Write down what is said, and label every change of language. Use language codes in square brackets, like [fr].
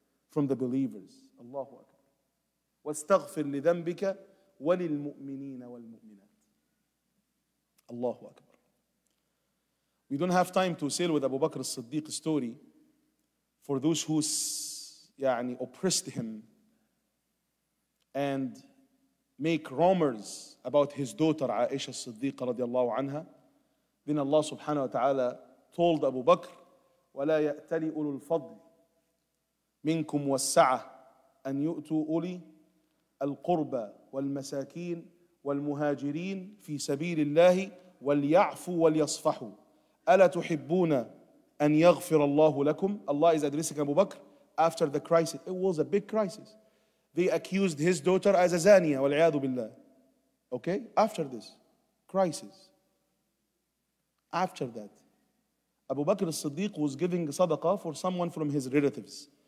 [en] From the believers. [ar] Allahu Akbar. وَاسْتَغْفِرْ لِذَنْبِكَ وَلِلْمُؤْمِنِينَ وَالْمُؤْمِنَاتِ. Allahu Akbar. [en] We don't have time to sail with Abu Bakr al-Siddiq's story for those who يعني, oppressed him and make rumors about his daughter Aisha al-Siddiqa radiallahu anha. Then Allah subhanahu wa ta'ala told Abu Bakr, [ar] وَلَا يَأْتَلِ أُولُو الْفَضْلِ منكم والسعة أن يؤتوا أولي القربى والمساكين والمهاجرين في سبيل الله وليعفوا وليصفحوا ألا تحبون أن يغفر الله لكم. [en] Allah is addressing Abu Bakr after the crisis. It was a big crisis. They accused his daughter as a zaniya [ar] والعياذ بالله. [en] Okay, after this crisis, after that, Abu Bakr al-Siddiq was giving sadaqah for someone from his relatives.